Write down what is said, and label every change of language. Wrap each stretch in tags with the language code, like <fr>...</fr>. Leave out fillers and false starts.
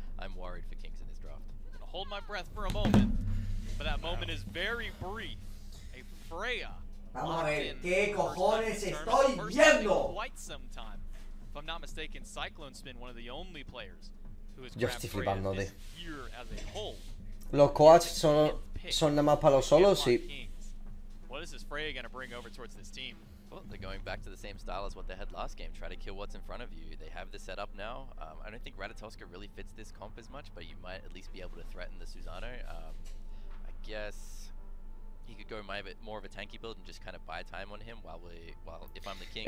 <en>I'm worried for Kings in this draft. Hold my breath for a moment, but that moment is very brief. A Freya.</en> <es>Vamos a ver qué cojones estoy viendo.</es> <en>Quite some time. If I'm not mistaken, Cyclone Spin, one of the only players.</en> <es>Yo estoy flipando, tío. Los coaches son nada más para los solos, sí.</es> <en>What is this Freya gonna bring over towards this team? Well, they're going back to the same style as what they had last game. Try to kill what's in front of you. They have the setup now. I don't think Ratatoska really fits this comp as much, but you might at least be able to threaten the Susanoo. I guess he could go more of a tanky build and just kind of buy time on him while if I'm the king.</en>